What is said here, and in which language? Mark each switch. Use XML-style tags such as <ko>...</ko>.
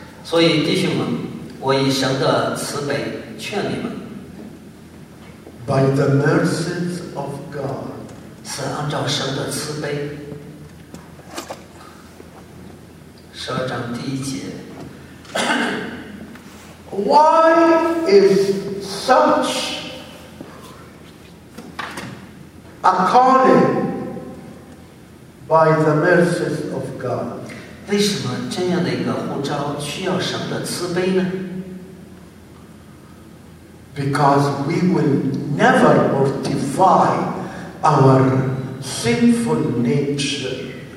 <zh>所以弟兄们，我以神的慈悲劝你们</zh> <en>By the mercies of God,</en> <zh>是按照神的慈悲十二章第一节</zh> <en>Why is such a calling by the mercies of God?</en> <zh>为什么这样的一个呼召需要神的慈悲呢？</zh> <en>Because we will never mortify our sinful nature.</en>